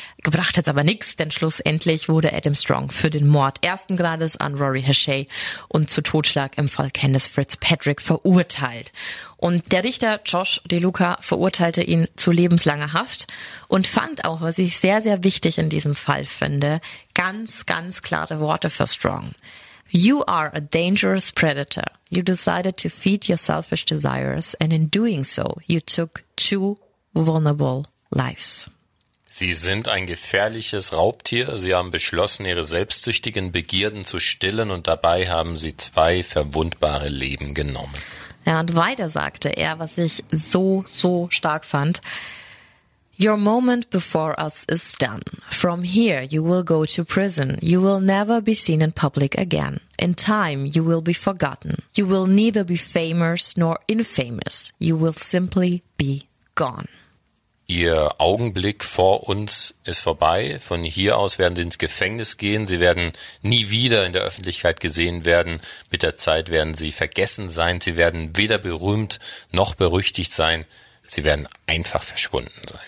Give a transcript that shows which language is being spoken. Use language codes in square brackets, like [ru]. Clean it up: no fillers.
[de] Gebracht hat's aber nichts, denn schlussendlich wurde Adam Strong für den Mord ersten Grades an Rory Hashay und zu Totschlag im Fall Candace Fitzpatrick verurteilt. Und der Richter Josh DeLuca verurteilte ihn zu lebenslanger Haft und fand auch, was ich sehr, sehr wichtig in diesem Fall finde, ganz, ganz klare Worte für Strong. [en] You are a dangerous predator. You decided to feed your selfish desires and in doing so you took 2 vulnerable lives. [de] Sie sind ein gefährliches Raubtier. Sie haben beschlossen, ihre selbstsüchtigen Begierden zu stillen und dabei haben sie 2 verwundbare Leben genommen. Ja, und weiter sagte er, was ich so, so stark fand. [en] Your moment before us is done. From here you will go to prison. You will never be seen in public again. In time you will be forgotten. You will neither be famous nor infamous. You will simply be gone. [de] Ihr Augenblick vor uns ist vorbei. Von hier aus werden sie ins Gefängnis gehen. Sie werden nie wieder in der Öffentlichkeit gesehen werden. Mit der Zeit werden sie vergessen sein. Sie werden weder berühmt noch berüchtigt sein. sie werden einfach verschwunden sein.